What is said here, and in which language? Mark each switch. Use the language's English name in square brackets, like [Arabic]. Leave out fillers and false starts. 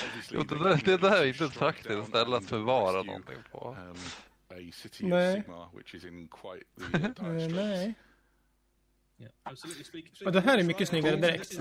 [Swedish] Jo, det där är inte ett praktiskt ställe att förvara någonting på. [English] A city of Sigmar, which is in quite the dire straits. [Swedish] Yeah. Och det här är mycket snyggare direkt.